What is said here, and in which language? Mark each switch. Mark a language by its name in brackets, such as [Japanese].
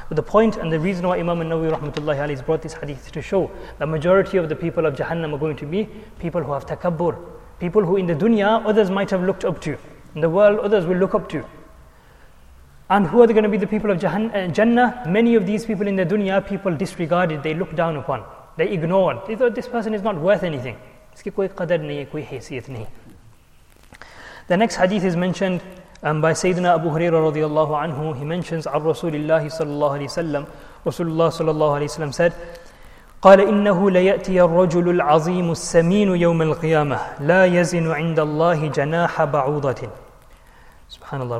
[English] But the point and the reason why Imam An-Nawawi rahmatullahi alayhi has brought this hadith to show the majority of the people of Jahannam are going to be people who have takabbur. People who in the dunya others might have looked up to. In the world others will look up to. And who are they going to be the people of Jannah? Many of these people in the dunya, people disregarded, they looked down upon. They ignored. They thought this person is not worth anything. [Urdu] اس کی کوئی قدر نہیں ہے، کوئی حیثیت نہیں۔ [English] The next hadith is mentioned by Sayyidina Abu Huraira radiallahu anhu. He mentions Ar Rasulillahi sallallahu alayhi sallam. [Arabic] Rasulullah sallallahu alayhi sallam said, قَالَ إِنَّهُ لَيَأْتِيَ الرَّجُلُ الْعَظِيمُ السَّمِينُ يَوْمَ الْقِيَامَةِ لَا يَزِنُ عِنْدَ اللَّهِ جَنَاحَ بَعُوضَةٍ. SubhanAllah.